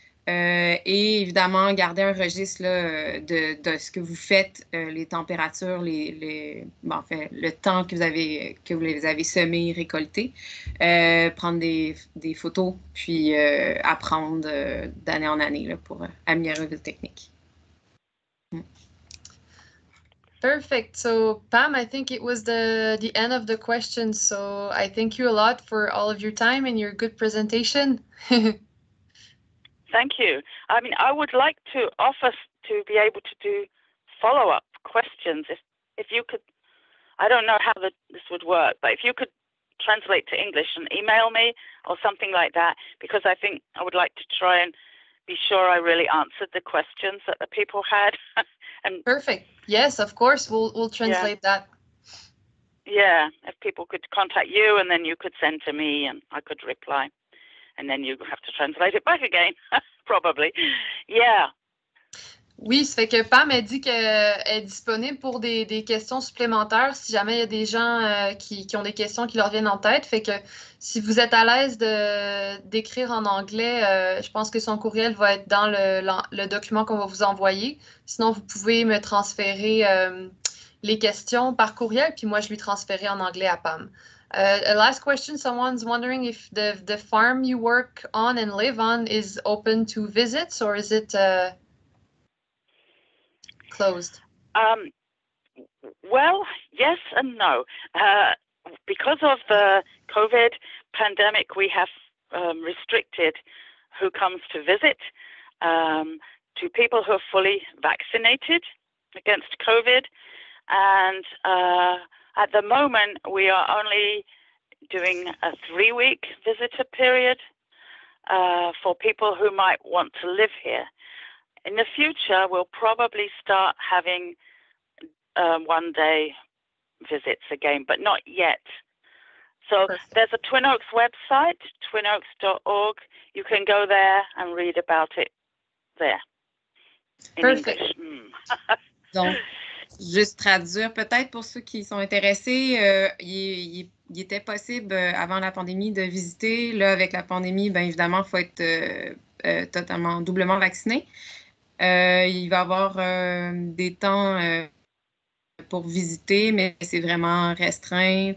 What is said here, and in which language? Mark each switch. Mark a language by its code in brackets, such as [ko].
[fr] Et évidemment, garder un registre là, de ce que vous faites, les températures, le temps que vous les avez semés, récoltés. Prendre des photos, puis apprendre d'année en année là, pour améliorer vos techniques. [en] Perfect. So Pam, I think it was the end of the question. So I thank you a lot for all of your time and your good presentation. Thank you. I mean, I would like to offer to be able to do follow-up questions. If you could, I don't know how this would work, but if you could translate to English and email me or something like that, because I think I would like to try and be sure I really answered the questions that the people had. And perfect. Yes, of course. We'll translate that. Yeah, if people could contact you and then you could send to me and I could reply. And then you have to translate it back again, probably. Yeah. [fr] Oui, ça fait que Pam a dit qu'elle est disponible pour des questions supplémentaires si jamais il y a des gens qui ont des questions qui leur viennent en tête. Fait que si vous êtes à l'aise d'écrire en anglais, je pense que son courriel va être dans le document qu'on va vous envoyer. Sinon, vous pouvez me transférer les questions par courriel, puis moi, je lui transférerai en anglais à Pam. [en] A last question, someone's wondering if the farm you work on and live on is open to visits or is it closed? Well, yes and no. Because of the COVID pandemic, we have restricted who comes to visit to people who are fully vaccinated against COVID. And at the moment, we are only doing a 3-week visitor period for people who might want to live here. In the future, we'll probably start having one day visits again, but not yet. So there's a Twin Oaks website, twinoaks.org. You can go there and read about it there. In perfect. English. [fr] Juste traduire peut-être pour ceux qui sont intéressés, il est il était possible avant la pandémie de visiter. Là, avec la pandémie, bien évidemment, il faut être totalement, doublement vacciné. Il va y avoir des temps pour visiter, mais c'est vraiment restreint.